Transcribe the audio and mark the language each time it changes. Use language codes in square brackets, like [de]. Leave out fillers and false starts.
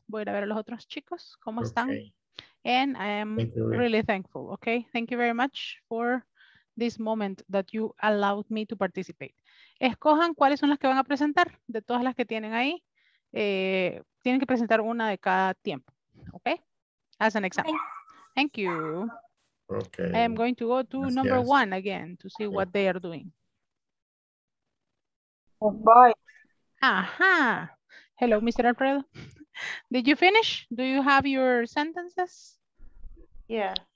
[es] Voy a ver a los otros chicos, ¿cómo están? [en] And I am really thankful, okay? Thank you very much for this moment that you allowed me to participate. [es] Escojan cuáles son las que van a presentar de todas las que tienen ahí. Tienen que presentar una de cada tiempo, okay? [en] As an example. Thank you. Okay. I am going to go to number one again to see what they are doing. Oh, bye. Aha. Hello, Mr. Alfredo. Did you finish? Do you have your sentences? Yeah.